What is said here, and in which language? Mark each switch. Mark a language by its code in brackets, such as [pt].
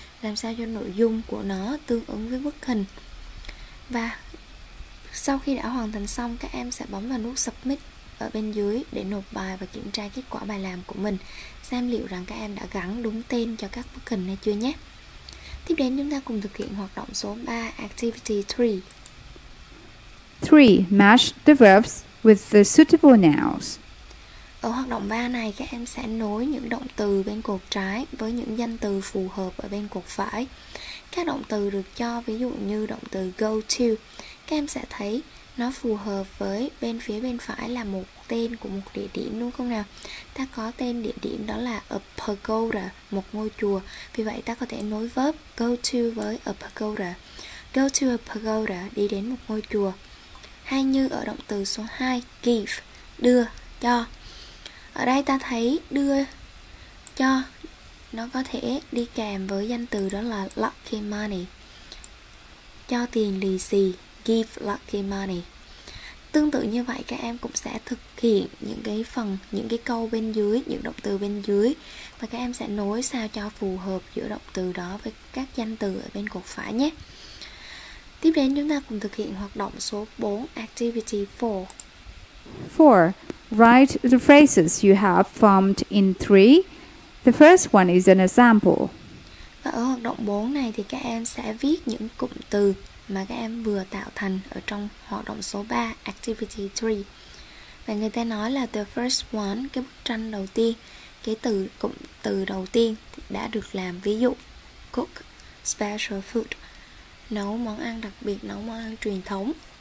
[vi] làm sao cho nội dung của nó tương ứng với bức hình. Và sau khi đã hoàn thành xong, các em sẽ bấm vào nút Submit ở bên dưới để nộp bài và kiểm tra kết quả bài làm của mình, xem liệu rằng các em đã gắn đúng tên cho các bức hình hay chưa nhé. Tiếp đến chúng ta cùng thực hiện hoạt động số 3, Activity 3. [en] 3. Match the verbs with the suitable nouns. [vi] Ở hoạt động 3 này, các em sẽ nối những động từ bên cột trái với những danh từ phù hợp ở bên cột phải. Các động từ được cho, ví dụ như động từ go to, các em sẽ thấy nó phù hợp với bên phía bên phải là một tên của một địa điểm, đúng không nào? Ta có tên địa điểm đó là a pagoda, một ngôi chùa. Vì vậy ta có thể nối verb go to với a pagoda. [en] Go to a pagoda, [vi] đi đến một ngôi chùa. Hay như ở động từ số 2, give, đưa, cho. Ở đây ta thấy đưa, cho, nó có thể đi kèm với danh từ đó là lucky money, cho tiền lì xì, [en] give lucky money. [vi] Tương tự như vậy, các em cũng sẽ thực hiện những cái phần, những cái câu bên dưới, những động từ bên dưới, và các em sẽ nối sao cho phù hợp giữa động từ đó với các danh từ ở bên cột phải nhé. Tiếp đến chúng ta cùng thực hiện hoạt động số 4, Activity 4. 4. [en] Write the phrases you have formed in 3. The first one is an example. [vi] Và ở hoạt động 4 này thì các em sẽ viết những cụm từ mà các em vừa tạo thành ở trong hoạt động số 3, Activity 3. Và người ta nói là [en] the first one, [vi] cái bức tranh đầu tiên, cái từ cụm từ đầu tiên đã được làm, ví dụ [en] cook, special food, [vi] nấu món ăn đặc biệt, nấu món ăn truyền thống.